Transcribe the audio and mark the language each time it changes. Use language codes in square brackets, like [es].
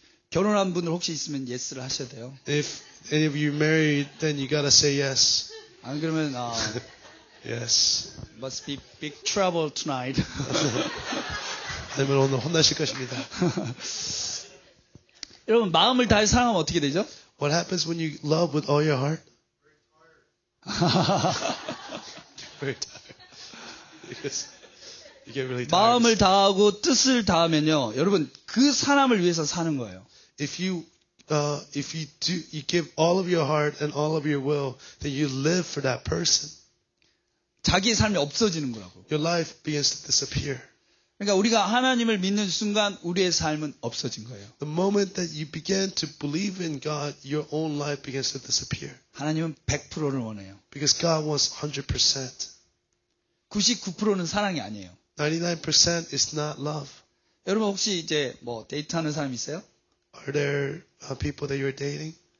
[ko] 결혼한 분들 혹시 있으면 예스를 하셔야 돼요. [en] If any of you married, then you gotta say yes. [ko] 안 그러면 [en] yes. Must be big trouble tonight. [ko] 아니면 오늘 혼나실 것입니다. 여러분 마음을 다해서 사랑하면 어떻게 되죠? [en] What happens when you love with all your heart? Very tired. Very tired. You get really tired. [ko] 마음을 다하고 뜻을 다하면요, 여러분 그 사람을 위해서 사는 거예요. [en] If you give all of your heart and all of your will, then you live for that person. [ko] 자기 삶이 없어지는 거라고. [en] Your life begins to disappear. [ko] 그러니까 우리가 하나님을 믿는 순간 우리의 삶은 없어진 거예요. [en] The moment that you begin to believe in God, your own life begins to disappear. [ko] 하나님은 100%를 원해요. [en] Because God wants 100%. [ko] 99%는 사랑이 아니에요. [en] 99% is not love. [ko] 여러분 혹시 이제 뭐 데이트하는 사람 있어요? [en] Are there people that you're dating?